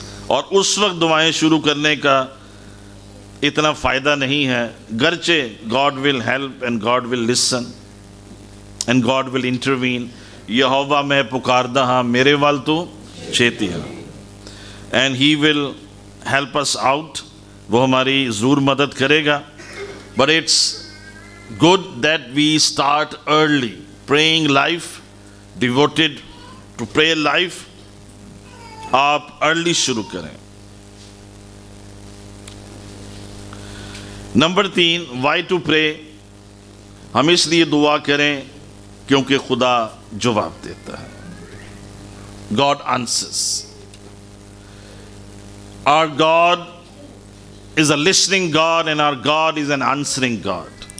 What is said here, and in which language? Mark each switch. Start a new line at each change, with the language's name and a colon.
Hindi: और उस वक्त दुआएं शुरू करने का इतना फायदा नहीं है, गरचे
English: God will help and God will listen and God will intervene.
Punjabi: यहोवा मैं पुकारदा हाँ, मेरे वाल तू छेती हाँ,
English: And he will help us out.
Hindi: वो हमारी जरूर मदद करेगा.
English: But it's good that we start early praying life, devoted to prayer life.
Hindi: आप early शुरू करें.
English: Number 3, why to pray?
Hindi: हम इसलिए दुआ करें क्योंकि खुदा जवाब देता है.
English: God answers. Our God is a listening God and our God is an answering God.